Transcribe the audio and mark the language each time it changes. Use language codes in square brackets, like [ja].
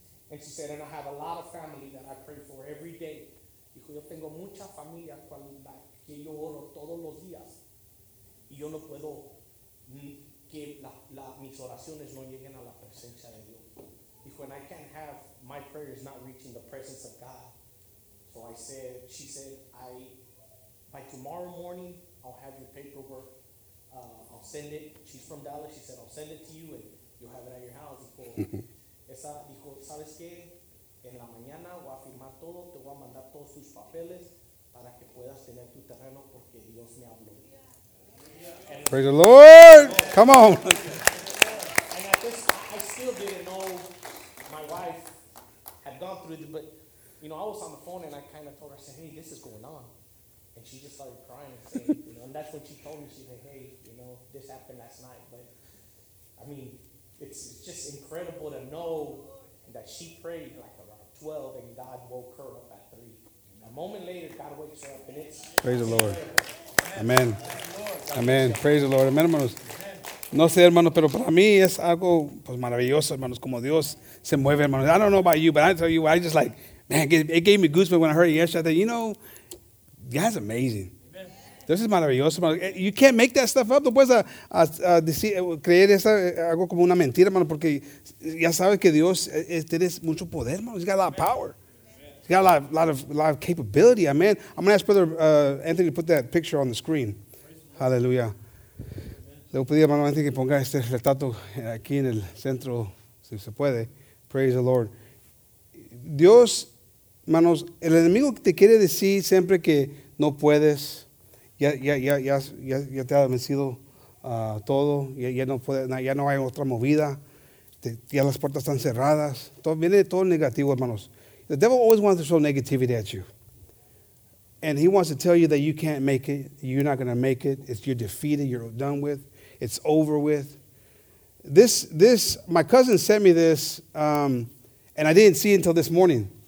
[en] And she said, and I have a lot of family that I pray for every day. [es] Dijo, yo tengo mucha familia que yo oro todos los días. Y yo no puedo que mis oraciones no lleguen a la presencia de Dios. [en] Dijo, and I can't have my prayers not reaching the presence of God. So I said, she said, by tomorrow morning, I'll have your paperwork. I'll send it. She's from Dallas. She said, I'll send it to you and you'll have it at your house. [es] Dijo, esa dijo, ¿sabes qué? En la mañana voy a firmar todo, te voy a mandar todos tus papeles para que puedas tener tu terreno porque Dios me habló. [en] Praise the Lord! Come on! And at this, I still didn't know my wife had gone through it, but, you know, I was on the phone and I kind of told her, I said, hey, this is going on. And she just started crying and saying, you know, and that's when she told me, she said, hey, you know, this happened last night, but, I mean, it's just incredible to know that she prayed like around 12 and God woke her up at 3. And a moment later, God wakes her up and it's... Praise the Lord. Amen. Amen. Praise the Lord. Amen, hermanos. [es] No sé, hermanos, pero para mí es algo pues maravilloso, hermanos, como Dios se mueve, hermanos. [en] I don't know about you, but I tell you, I just like, man, it gave me goosebumps when I heard it yesterday. I thought, you know, God's amazing. This is [es] maravilloso, hermano. [en] You can't make that stuff up. [es] No puedes creer esa, algo como una mentira, hermano, porque ya sabes que Dios tiene mucho poder, hermano. [en] He's got a lot of power. [es] Amen. [en] He's got a lot of capability. Amen. I'm going to ask Brother Anthony to put that picture on the screen. Hallelujah. [es] Le voy a pedir, hermano Anthony, que ponga este retrato aquí en el centro, si se puede. [en] Praise the Lord. [es] Dios, hermanos, el enemigo te quiere decir siempre que no puedes. Ya te ha vencido todo, ya no puede, ya no hay otra movida, ya las puertas están cerradas. Todo, viene todo negativo, hermanos. [en] The devil always wants to throw negativity at you. And he wants to tell you that you can't make it, you're not going to make it, you're defeated, you're done with, it's over with. This my cousin sent me this, and I didn't see it until this morning.